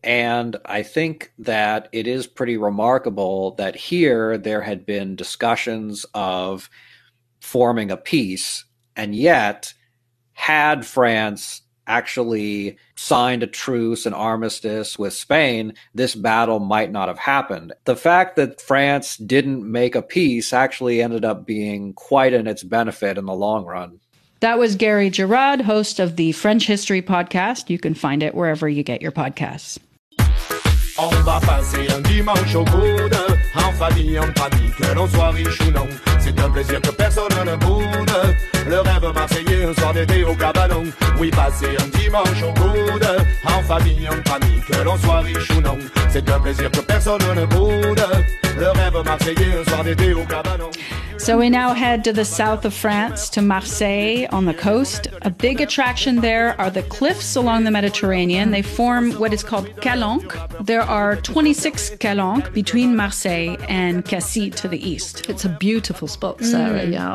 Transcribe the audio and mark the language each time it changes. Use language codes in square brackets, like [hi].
[en] And I think that it is pretty remarkable that here there had been discussions of forming a peace, and yet had France actually signed a truce, an armistice with Spain, this battle might not have happened. The fact that France didn't make a peace actually ended up being quite in its benefit in the long run. That was Gary Girod, host of the French History Podcast. You can find it wherever you get your podcasts. [fr] On va passer un dimanche au coude, en famille, en famille, que l'on soit riche ou non. C'est un plaisir que personne ne boude, le rêve marseillais, un soir d'été au cabanon. Oui, passer un dimanche au coude, en famille, en famille, que l'on soit riche ou non. C'est un plaisir que personne ne boude, le rêve marseillais, un soir d'été au cabanon. [en] So we now head to the south of France, to Marseille on the coast. A big attraction there are the cliffs along the Mediterranean. They form what is called Calanques. There are 26 Calanques between Marseille and Cassis to the east. It's a beautiful spot, Sarah. Mm. Yeah,